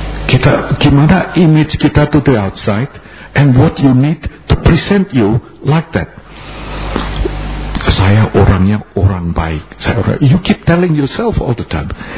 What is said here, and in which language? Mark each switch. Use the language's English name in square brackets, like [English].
[Indonesian] Kita gimana image kita [English] to the outside and what you need to present you like that. [Indonesian] Saya orangnya orang baik. Saya orang, [English] you keep telling yourself all the time.